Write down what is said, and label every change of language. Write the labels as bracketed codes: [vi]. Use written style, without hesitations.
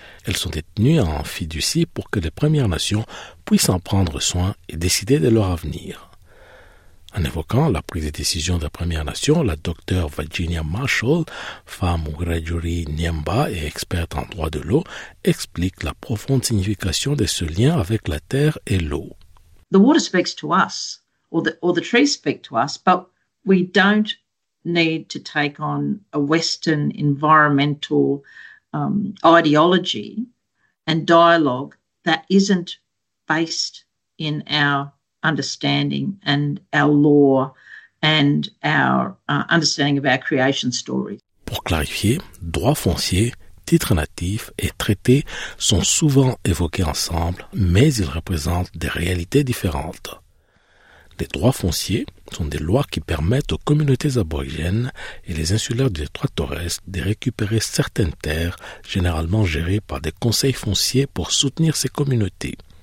[fr] Elles sont détenues en fiducie pour que les Premières Nations puissent en prendre soin et décider de leur avenir. En évoquant la prise de décision des Premières Nations, la docteure Virginia Marshall, femme Wiradjuri Nyemba et experte en droit de l'eau, explique la profonde signification de ce lien avec la terre et l'eau. [en] The water speaks to us, or the trees speak to us, but we don't need to take on a Western environmental ideology and dialogue that isn't based in our understanding and our law and our understanding of our creation story. [fr] Pour clarifier, droits fonciers, titres natifs et traités sont souvent évoqués ensemble, mais ils représentent des réalités différentes. Les droits fonciers sont des lois qui permettent aux communautés aborigènes et les insulaires du détroit de Torres de récupérer certaines terres, généralement gérées par des conseils fonciers pour soutenir ces communautés.